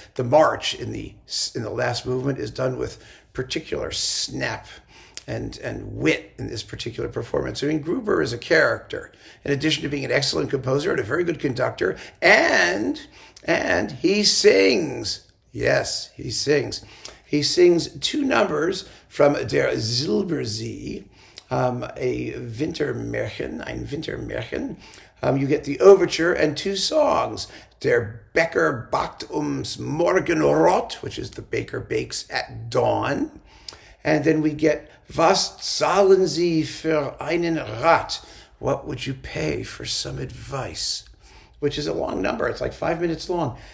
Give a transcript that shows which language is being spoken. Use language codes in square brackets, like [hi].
[en] The march in the last movement is done with particular snap and wit in this particular performance. I mean, Gruber is a character. In addition to being an excellent composer and a very good conductor, and he sings. Yes, he sings. He sings two numbers from Der Silbersee, a Wintermärchen, ein Wintermärchen. You get the overture and two songs, [de] Der Bäcker backt ums Morgenrot, [en] which is the baker bakes at dawn. And then we get [de] Was zahlen Sie für einen Rat? [en] What would you pay for some advice? Which is a long number. It's like 5 minutes long.